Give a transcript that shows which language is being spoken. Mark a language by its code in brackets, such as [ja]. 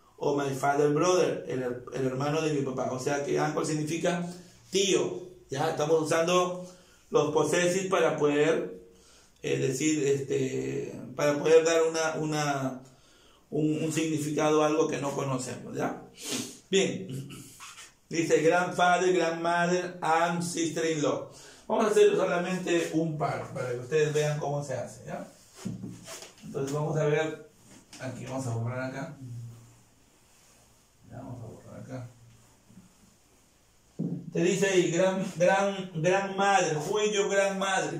[es] o [en] my father brother, [es] el hermano de mi papá. O sea que uncle significa tío. Ya estamos usando los posesivos para poder decir, para poder dar un significado, algo que no conocemos, ¿ya? Bien, dice grandfather, grandmother, and sister-in-law. Vamos a hacer solamente un par para que ustedes vean cómo se hace, ¿ya? Entonces vamos a ver, aquí vamos a borrar acá. Ya vamos a borrar acá. Te dice ahí, [en] grandmother, who is your grandmother?